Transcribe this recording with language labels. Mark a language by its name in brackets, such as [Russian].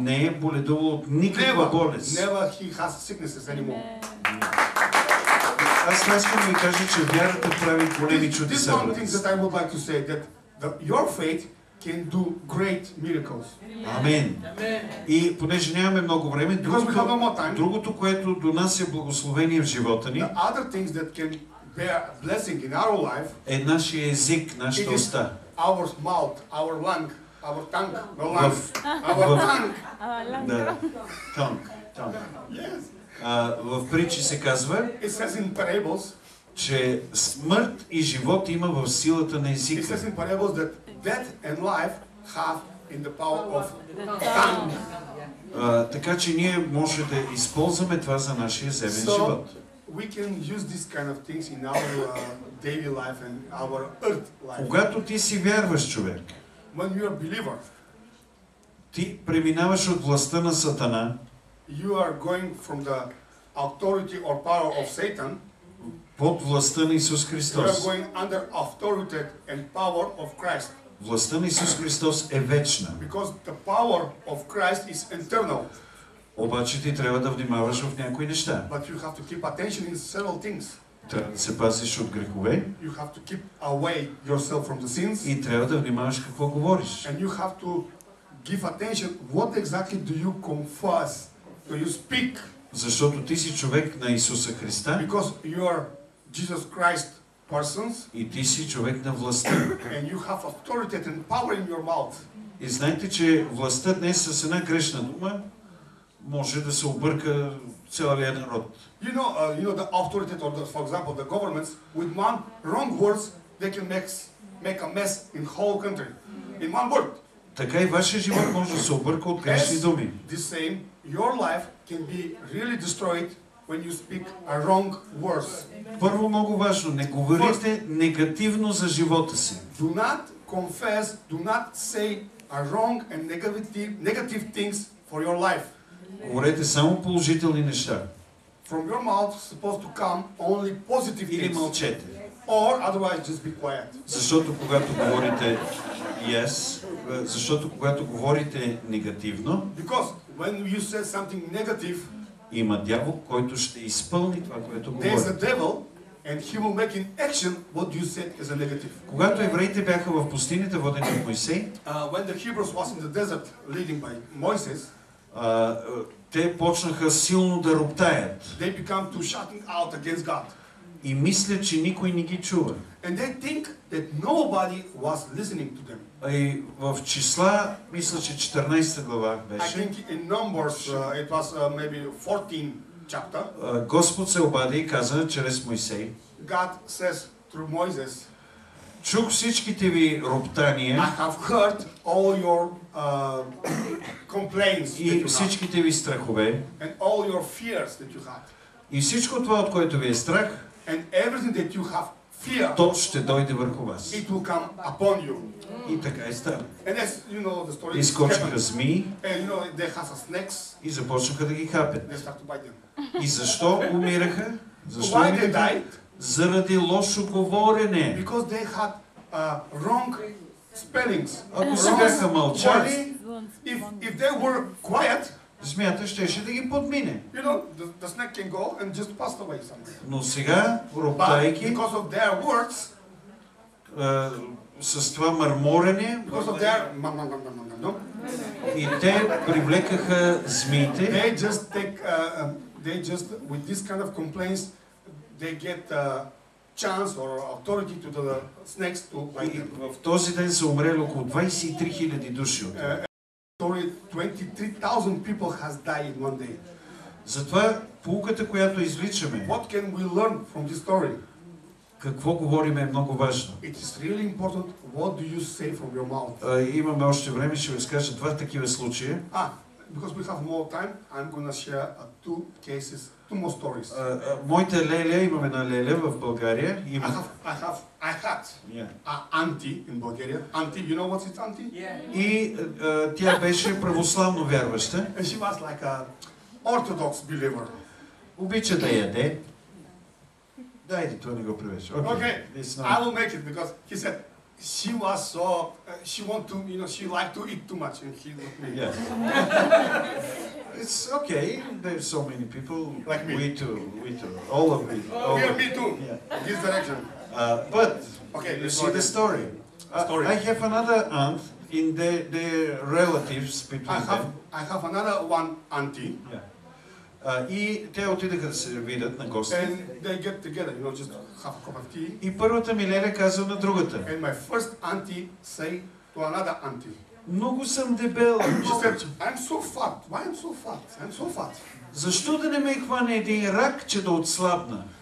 [Bulgarian] не е боледувал от никаква болест. [English] Never he has sicknesses anymore. [Bulgarian] Аз искам да ви кажа, че вярата прави големи чудеса. [English] This one thing that I would like to say, that your faith can do great miracles. [Bulgarian] Амен. И понеже нямаме много време, другото, което донася благословение в живота ни, [English] the other things that can bear blessing in our life, [Bulgarian] е нашия език, нашата уста. [English] Our mouth, our lung, our tongue, no lung, our tongue. Yes. [Bulgarian] В притчи се казва, [English] it says in parables, [Bulgarian] че смърт и живот има в силата на езика. [English] It says in parables that death and life have in the power of tongue. [Bulgarian] Така че ние можем да използваме това за нашия земен живот. [English] We can use these kind of things in our daily life and our earth life. [Bulgarian] Когато ти си вярваш, човек, [English] when you are believer, [Bulgarian] ти преминаваш от властта на Сатана, [English] you are going from the authority or power of Satan, [Bulgarian] под властта на Исус Христос. [English] You are going under authority and power of Christ. [Bulgarian] Властта на Исус Христос е вечна. [English] Because the power of Christ is eternal. [Bulgarian] Обаче ти трябва да внимаваш в някои неща. [English] But you have to keep attention in several things. [Bulgarian] Трябва да се пазиш от грехове. [English] You have to keep away yourself from the sins. [Bulgarian] И трябва да внимаваш какво говориш. [English] And you have to give attention what exactly do you confess, do you speak? [Bulgarian] Защото ти си човек на Исуса Христа. [English] Because you are Jesus Christ persons. [Bulgarian] И ти си човек на властта. [English] And you have authority and power in your mouth. [Bulgarian] И знаете, че властта днес с една грешна дума може да се обърка целият народ. [English] You know the authority or the, for example, the governments with one wrong words they can make a mess in whole country. In one word. [Bulgarian] Така и вашия живот може да се обърка от грешни думи. [English] The same, your life can be really destroyed when you speak a wrong words. [Bulgarian] Първо много важно, не говорите негативно за живота си. [English] Do not confess, do not say a wrong and negative things for your life. [Bulgarian] Говорете само положителни неща. [English] From your mouth supposed to come only positive things. [Bulgarian] Или мълчете. [English] Or otherwise just be quiet. [Bulgarian] Защото когато говорите yes, защото когато говорите негативно, [English] because when you say something negative, [Bulgarian] има дявол, който ще изпълни това, което говори. [English] There is a devil and he will make in action what you said as a negative. [Bulgarian] Когато евреите бяха в пустинята, водени от Мойсей, [English] when the Hebrews was in the desert leading by Moses, [Bulgarian] те почнаха силно да роптаят. [English] They become to shouting out against God. [Bulgarian] И мислят, че никой не ги чува. [English] And they think that nobody was listening to them. [Bulgarian] И в числа, мисля, че 14 глава беше. [English] I think in Numbers it was maybe 14 chapter. [Bulgarian] Господ се обади и каза чрез Мойсей. [English] God says through Moses. [Bulgarian] Чух всичките ви роптания. [English] I have heard all your complaints. [Bulgarian] И всичките ви страхове. [English] And all your fears that you had. [Bulgarian] И всичко това, от което ви е страх. [English] And everything that you have fear. [Bulgarian] То ще дойде върху вас. [English] It will come upon you. [Bulgarian] И така е стана. [English] And as you know the story. [Bulgarian] Изкочиха змии. [English] And you know they had snakes. [Bulgarian] И започнаха да ги хапят. [English] They start to bite them. [Bulgarian] И защо умираха? Защо умираха? Заради лошо говорене. [English] Because they had wrong spellings. [Bulgarian] Ако сега мълчали, [English] if they were quiet, [Bulgarian] змията щеше да ги подмине. [English] You know, the snake can go and just pass away somewhere. [Bulgarian] Но сега, роптайки, [English] because of their words, [Bulgarian] с това мърморене, [English] because of their [Bulgarian] и те привлекаха змиите. [English] They just take they just with this kind of complaints they get a chance or authority to the snakes to bite them. [Bulgarian] В този ден са умрели около 23 000 души от [English] това. 23,000 people has died one day. [Bulgarian] Затова поуката, която извличаме. [English] What can we learn from this story? [Bulgarian] Какво говорим е много важно. [English] It is really important what do you say from your mouth. [Bulgarian] Имаме още време, ще ви скажа два такива случая. [English] Because we have more time, I'm going to share two cases. [Bulgarian] Моите леле, имаме една леле в България. Има... [English] I had yeah. Auntie in Bulgaria. Auntie, you know what's it, auntie? Yeah, yeah. [Bulgarian] И тя беше православно вярваща. [English] And she was like a orthodox believer. [Bulgarian] Обича да яде. Дайте, това не го превеш. [English] Okay. I will make it because he said she was so she want to, you know, she liked to eat too much and he looked me. Yes. It's okay. There's so many people like me. We too. All of me. Oh, yeah, me too. Yeah. This direction. But okay, you see the story. I have another aunt in the relatives between them. I have another one auntie. Yeah. [Bulgarian] И те отидаха да се видят на гости. [English] And they get together, you know, just have a cup of tea. [Bulgarian] И първата ми леля казва на другата. [English] And my first auntie say to another auntie. [Bulgarian] Много съм дебел. [English] I'm so fat. [Bulgarian] Защо да не ме хване един рак, че да отслабна?